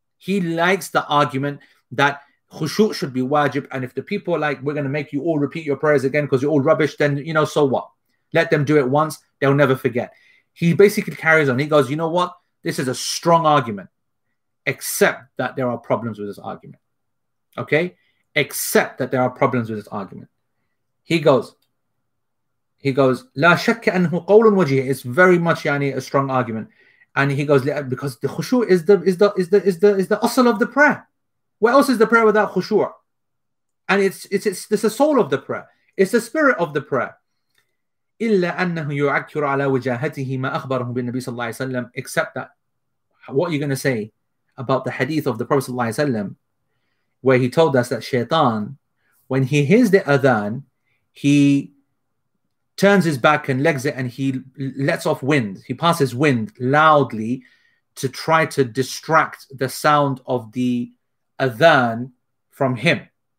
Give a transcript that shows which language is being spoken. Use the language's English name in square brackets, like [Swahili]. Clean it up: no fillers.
[English] He likes the argument that khushu should be wajib, and if the people are like, we're going to make you all repeat your prayers again because you're all rubbish, then, you know, so what? Let them do it once. They'll never forget. He basically carries on. He goes, you know what? This is a strong argument, except that there are problems with this argument. Okay? Except that there are problems with this argument. He goes, [Arabic] لا شك أنه قول وجيه. [English] It's very much, yani, a strong argument. And he goes, because the khushu is the asal of the prayer. Where else is the prayer without khushu? And it's the soul of the prayer. It's the spirit of the prayer. [Arabic] إلا أنه يعكر على وجاهته ما أخبره بالنبي صلى الله عليه وسلم. [English] Except that, what are you going to say about the hadith of the Prophet صلى الله عليه وسلم, where he told us that shaitan, when he hears the adhan, he turns his back and legs it, and he lets off wind. He passes wind loudly to try to distract the sound of the adhan from him.